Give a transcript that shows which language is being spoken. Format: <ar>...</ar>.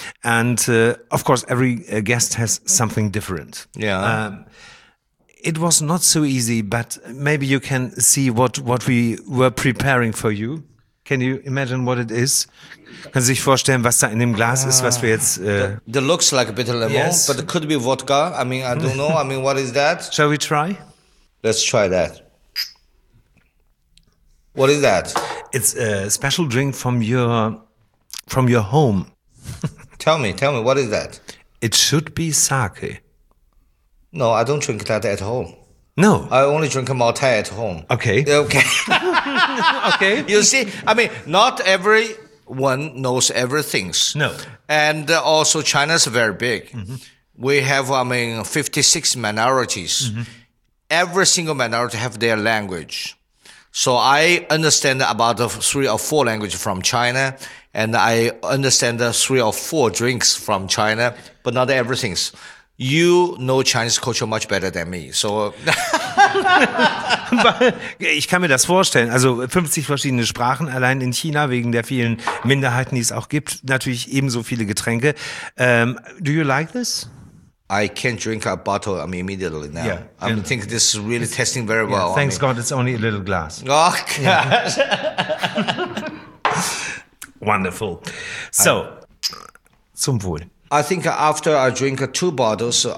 <en>And of course, every guest has something different. Yeah. It was not so easy, but maybe you can see what we were preparing for you. Can you imagine what it is?</en> <de>Kann sich vorstellen, was da in dem Glas ist, was wir jetzt...</de> <en>It looks like a bitter lemon, yes. But it could be vodka. I mean, I don't know. I mean, what is that? Shall we try? Let's try that. What is that? It's a special drink from your home. tell me, what is that? It should be sake. No, I don't drink that at home. No. I only drink a Maltai at home. Okay. Okay. You see, I mean, not everyone knows everything. No. And also China's very big. Mm-hmm. We have, 56 minorities. Mm-hmm. Every single minority have their language. So I understand about three or four languages from China, and I understand three or four drinks from China, but not everything. You know Chinese culture much better than me. So</en> <de>ich kann mir das vorstellen. Also 50 verschiedene Sprachen allein in China, wegen der vielen Minderheiten, die es auch gibt. Natürlich ebenso viele Getränke.</de> <en>Do you like this? I can't drink a bottle immediately now. Yeah. I think this is really tasting very well. Yeah, thanks God, it's only a little glass. Oh, God. Yeah. Wonderful. So,</en> <de>zum Wohl.</de> <en>I think after I drink two bottles,</en>